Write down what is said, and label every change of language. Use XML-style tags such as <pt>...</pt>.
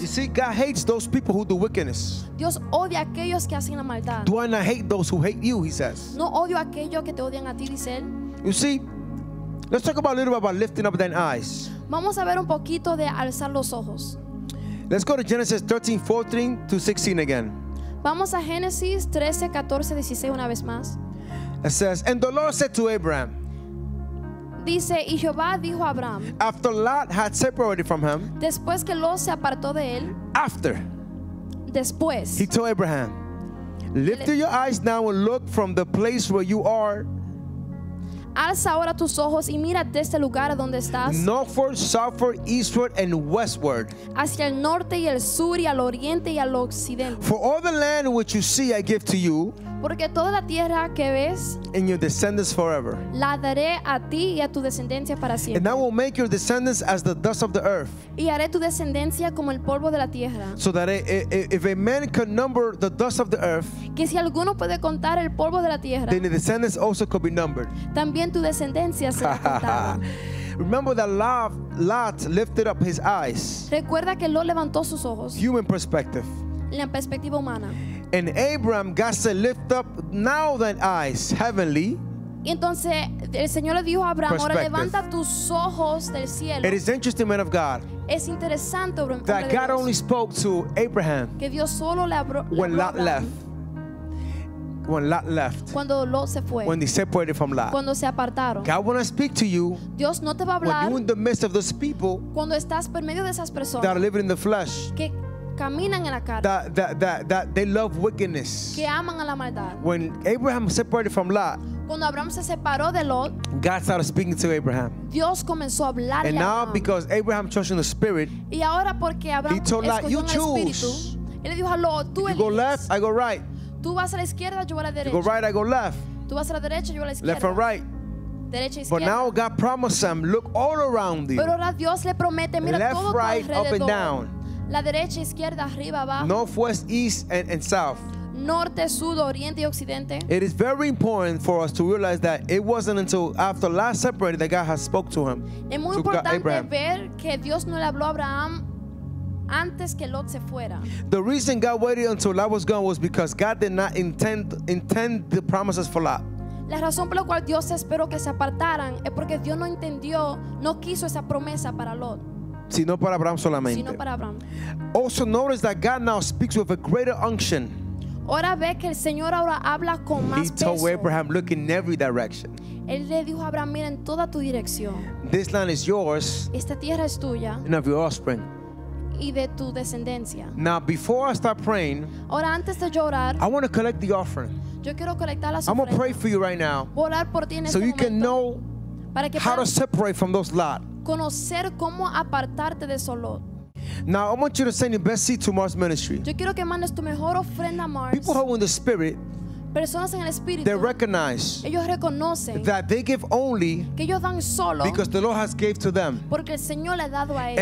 <en>You see, God hates those people who do wickedness.</en> <es>Dios odia aquellos que hacen la maldad.</es> <en>Do I not hate those who hate you, he says.</en> <es>No odio aquellos que te odian a ti, dice él.</es> <en>You see, let's talk about a little bit about lifting up thine eyes.</en> <es>Vamos a ver un poquito de alzar los ojos.</es> <en>Let's go to Genesis 13:14-16 again.</en> <es>Vamos a Génesis 13:14-16 una vez más.</es> <en>It says, "And the Lord said to Abraham."</en> <es>Dice, y Jehová dijo a Abraham.</es> <en>After Lot had separated from him.</en> <es>Después que Lot se apartó de él.</es> <en>After.</en> <es>Después.</es> <en>He told Abraham, "Lift your eyes now and look from the place where you are."</en> <es>Alza ahora tus ojos y mira desde el lugar donde estás.</es> <en>Northward, southward, eastward, and westward.</en> <es>Hacia el norte y el sur y al oriente y al occidente.</es> <en>For all the land which you see, I give to you.</en> <es>Porque toda la tierra que ves,</es> <en>and your descendants forever,</en> <es>la daré a ti y a tu descendencia para siempre.</es> <en>And I will make your descendants as the dust of the earth.</en> <es>Y haré tu descendencia como el polvo de la tierra.</es> <en>So that if a man can number the dust of the earth,</en> <es>que si alguno puede contar el polvo de la tierra,</es> <en>then your descendants also could be numbered.</en> <es>También tu descendencia será contada.</es> <en>Remember that Lot lifted up his eyes.</en> <es>Recuerda que Lot levantó sus ojos.</es> <en>Human perspective.</en> <es>La perspectiva humana.</es> <en>And Abraham, God said, lift up now thine eyes, heavenly.</en> <es>Y entonces el Señor le dijo a Abraham, ahora levanta tus ojos del cielo.</es> <en>It is interesting, man of God.</en> <es>Es interesante, hombre de Dios.</es> <en>That God only spoke to Abraham.</en> <es>Que Dios solo le habló.</es> <en>When Lot left. When Lot left.</en> <es>Cuando Lot se fue.</es> <en>When they separated from Lot.</en> <es>Cuando se apartaron.</es> <en>God want to speak to you.</en> <es>Dios no te va a hablar.</es> <en>When you're in the midst of those people.</en> <es>Cuando estás por medio de esas personas.</es> <en>That are living in the flesh.</en> <es>Que caminan en la carne.</es> <en>That they love wickedness.</en> <es>Que aman a la maldad.</es> <en>When Abraham separated from Lot.</en> <es>Cuando Abraham se separó de Lot.</es> <en>God started speaking to Abraham.</en> <es>Dios comenzó a hablarle a Abraham.</es> <en>And now because Abraham trusted in the Spirit.</en> <es>Y ahora porque Abraham escogió en el Espíritu.</es> <en>He told Lot, you choose.</en> <es>Él le dijo a Lot, tú eliges.</es> <en>You go left, I go right.</en> <es>Tú vas a la izquierda, yo a la derecha.</es> <en>You go right, I go left.</en> <es>Tú vas a la derecha, yo a la izquierda.</es> <en>Left and right.</en> <es>Derecha,</es> <en>but now God promised them, look all around you.</en> <es>Pero ahora Dios le promete, mira</es> <en>left,</en> <es>todo</es> <en>right,</en> <es>alrededor.</es> <en>Up and down.</en> <es>La derecha, izquierda, arriba, abajo.</es> <en>North, west, east, and south.</en> <es>Norte, sur, oriente y occidente.</es> <en>It is very important for us to realize that it wasn't until after last separated that God has spoke to him.</en> <es>Es muy importante ver que Dios no le habló a Abraham antes que Lot se fuera.</es> <en>The reason God waited until Lot was gone was because God did not intend the promises for Lot.</en> <es>La razón por la cual Dios esperó que se apartaran es porque Dios no entendió, no quiso esa promesa para Lot. Sino para Abraham solamente. Sino para Abraham.</es> <en>Also notice that God now speaks with a greater unction.</en> <es>Ahora ve que el Señor ahora habla con más peso.</es> <en>He told Abraham, look in every direction.</en> <es>Él le dijo a Abraham, mira en toda tu dirección.</es> <en>This land is yours.</en> <es>Esta tierra es tuya.</es> <en>And of your offspring.</en> <es>Y de tu descendencia.</es> <en>Now before I start praying,</en> <es>ahora, antes de llorar,</es> <en>I want to collect the offering.</en> <es>Yo quiero colectar las ofrendas.</es> <en>I'm going to pray for you right now.</en> <es>Orar por ti en</es> <en>so</en> <es>este</es> <en>you</en> <es>momento.</es> <en>Can know</en> <es>para que</es> <en>how to separate from those lot.</en> <es>Conocer cómo apartarte de esos lot.</es> <en>Now I want you to send your best seed to Mars Ministry.</en> <es>Yo quiero que mandes tu mejor ofrenda a Mars.</es> <en>People who are in the spirit,</en> <es>personas en el espíritu,</es> <en>they recognize</en> <es>ellos reconocen</es> <en>that they give only</en> <es>que ellos dan solo</es> <en>because the Lord has gave to them.</en> <es>Porque el Señor le ha dado a ellos.</es>